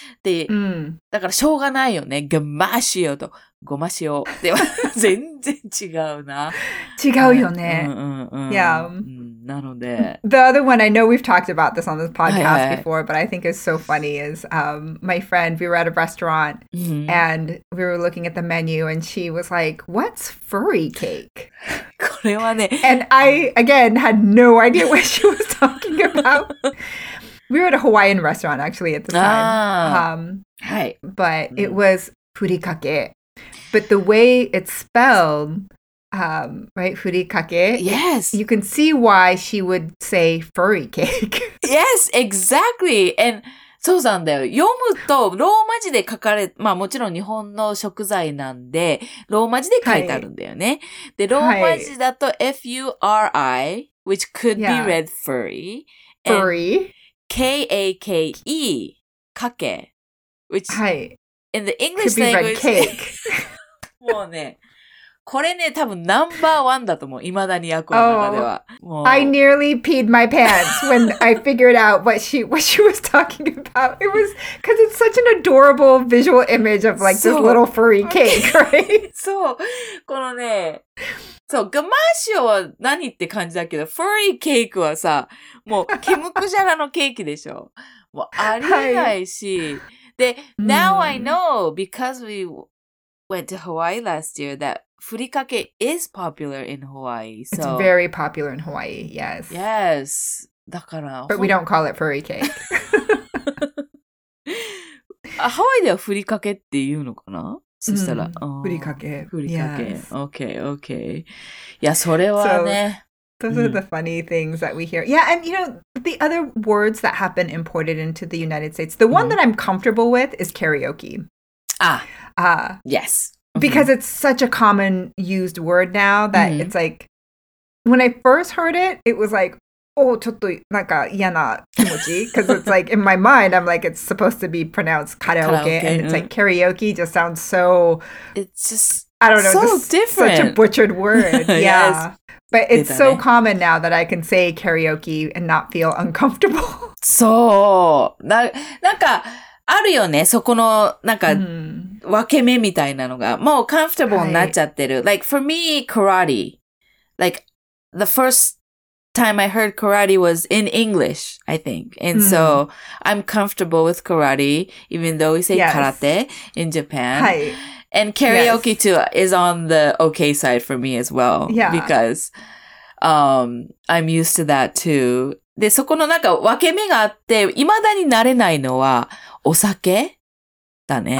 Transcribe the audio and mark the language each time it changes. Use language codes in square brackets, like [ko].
[ja] で、だからしょうがないよね。ごま塩とごま塩では全然違うな。違うよね。Yeah. なので。 [en] The other one, I know we've talked about this on this podcast before, but I think it's so funny is, my friend, we were at a restaurant and we were looking at the menu and she was like, what's furry cake? [ja] これはね。 [en] And I, again, had no idea what she was talking about. We were at a Hawaiian restaurant, actually, at the time. But it was furikake. But the way it's spelled, right, furikake? Yes. You can see why she would say furry cake. Yes, exactly. And [ja] そうなんだよ。読むと、ローマ字で書かれ、まあもちろん日本の食材なんで、ローマ字で書いてあるんだよね。で、ローマ字だと [en] F-U-R-I, which could be read furry. Furry. K-A-K-E, kake, which in the English could language, be red cake. [ja] もうね、これね、多分ナンバーワンだと思う。未だにアクアの中では。 [en] I nearly peed my pants when I figured out what she was talking about. It was, because it's such an adorable visual image of like this little furry cake, right? [ja] そう、このね、そう、ガマーシオは何って感じだけど、フォーリーケークはさ、もう、キムクジャラのケーキでしょ。もう、ありえないし。はい、で、 [en] now I know, because we went to Hawaii last year, that ふりかけ is popular in Hawaii. So, it's very popular in Hawaii, yes. Yes. だから。 But we don't call it furry cake. [ja] ハワイではふりかけって言うのかな？そしたら、ふりかけ。ふりかけ。 [en] Okay, okay. [ja] いや、それはね。 [en] So, those are the funny things that we hear. Yeah, and you know, the other words that have been imported into the United States, the one that I'm comfortable with is karaoke. Ah. Yes. Because it's such a common used word now that it's like, when I first heard it, it was like,oh, [ja] ちょっとなんか嫌な気持ち [en] because it's like in my mind, I'm like it's supposed to be pronounced karaoke, and it's like karaoke just sounds so. It's just I don't know, so just different. Such a butchered word, yeah. Yes. But it's so common now that I can say karaoke and not feel uncomfortable. [ja] そうな、なんかあるよね。そこのなんか分け目みたいなのがもう comfortable になっちゃってる。 [en] Like for me, karate, like the firstTime I heard karate was in English, I think. And so I'm comfortable with karate, even though we say karate in Japan. And karaoke too is on the okay side for me as well. Yeah. Because I'm used to that too. [ja] で、そこのなんか分け目があって、いまだになれないのはお酒だね。